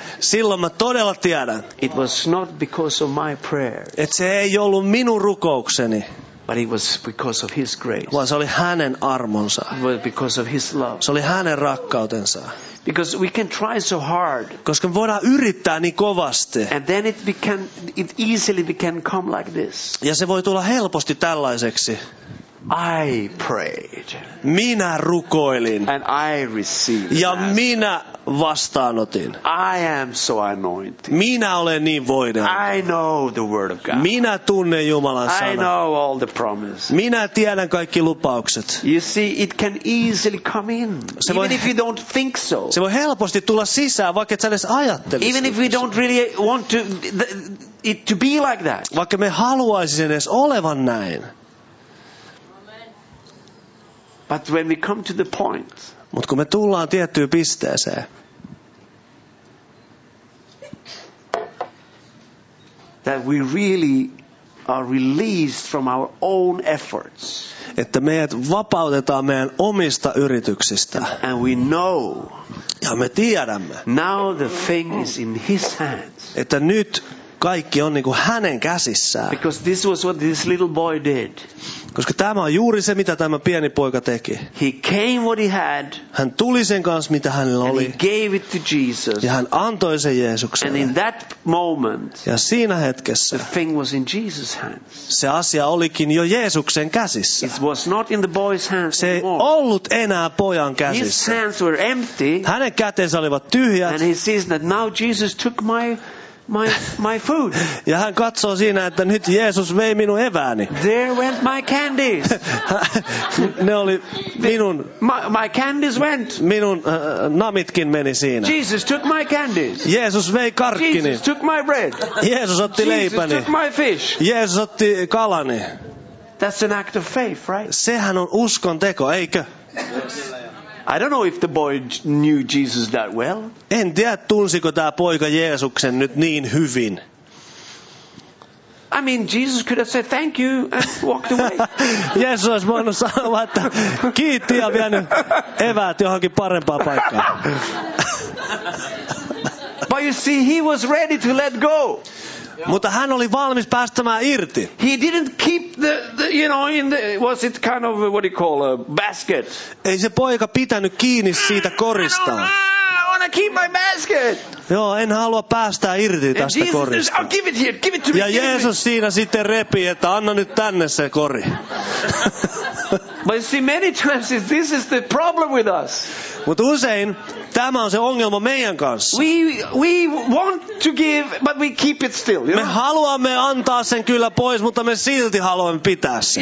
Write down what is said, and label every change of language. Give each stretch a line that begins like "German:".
Finnish: Silloin mä todella tiedän.
English: It was not because of my prayer.
Finnish: Et se ei ollut minun rukoukseni.
English: But it was because of his grace.
Finnish: Vaan se oli hänen armonsa.
English: It was because of his love.
Finnish: Se oli hänen rakkautensa.
English: Because we can try so hard.
Finnish: Koska me voidaan yrittää niin kovasti.
English: And then it easily can come like this.
Finnish: Ja se voi tulla helposti tällaiseksi.
English: I prayed.
Finnish: Minä rukoilin.
English: And I received.
Finnish: Ja minä vastaanotin.
English: I am so anointed.
Finnish: Minä olen niin voinen.
English: I know the word of God.
Finnish: Minä tunnen Jumalan sanan.
English: I know all the promises.
Finnish: Minä tiedän kaikki lupaukset.
English: You see, it can easily come in. Even if you don't think so.
Finnish: Se voi helposti tulla sisään, vaikka et sä edes ajattelisi.
English: Even if we don't really want to it to be like that.
Finnish: Vaikka me haluaisimme edes olevan näin.
English: But when we come to the point,
Finnish: mut kun me tullaan tiettyyn pisteeseen,
English: that we really are released from our own efforts.
Finnish: Että meidät vapautetaan meidän omista yrityksistä.
English: And we know.
Finnish: Ja me tiedämme.
English: Now the thing is in his hands.
Finnish: Että nyt kaikki on niin kuin hänen käsissään.
English: Because this was what this little boy did.
Finnish: Koska tämä on juuri se, mitä tämä pieni poika teki.
English: He came what he had.
Finnish: Hän tuli sen kanssa, mitä hänellä oli.
English: And he gave it to Jesus.
Finnish: Ja hän antoi sen Jeesukselle.
English: And in that moment,
Finnish: ja siinä hetkessä,
English: the thing was in Jesus' hands.
Finnish: Se asia olikin jo Jeesuksen käsissä.
English: It was not in the boy's hands
Finnish: se
English: anymore.
Finnish: Se ei ollut enää pojan käsissä.
English: His hands were empty.
Finnish: Hänen kätensä olivat tyhjät.
English: And he sees that now Jesus took my food.
Finnish: Ja hän katsoo siinä, että nyt Jeesus vei minun evääni.
English: There went my candies.
Finnish: Ne oli minun.
English: My candies went.
Finnish: Minun namitkin meni siinä.
English: Jesus took my candies.
Finnish: Jeesus vei karkkini.
English: Jesus took my bread.
Finnish: Jeesus otti leipäni.
English: Jesus took my fish.
Finnish: Jeesus otti kalani.
English: That's an act of faith, right?
Finnish: Sehän on uskon teko, eikö?
English: I don't know if the boy knew Jesus that well.
Finnish: En tiedä, tunsiko tämä poika Jeesuksen nyt niin hyvin.
English: I mean, Jesus could have said thank you and walked away.
Finnish: Jeesus olisi voinut sanoa, että kiitti ja vienyt eväät johonkin parempaan paikkaan.
English: But you see, he was ready to let go.
Finnish: Mutta hän oli valmis päästämään irti.
English: He didn't keep the you know, in the, was it kind of what you call a basket?
Finnish: Ei se poika pitänyt kiinni siitä korista.
English: I want to keep my basket.
Finnish: Joo, en halua päästää irti tästä
English: Jesus
Finnish: korista.
English: Says, I'll give it here. Give it to me.
Finnish: Ja Jeesus
English: me.
Finnish: Siinä sitten repii, että anna nyt tänne se kori.
English: But you see, many times this is the problem with us.
Finnish: Mutta usein tämä on se ongelma meidän kanssa.
English: We want to give, but we keep it still. You me know?
Finnish: Haluamme antaa sen kyllä pois, mutta me silti haluamme pitää sen.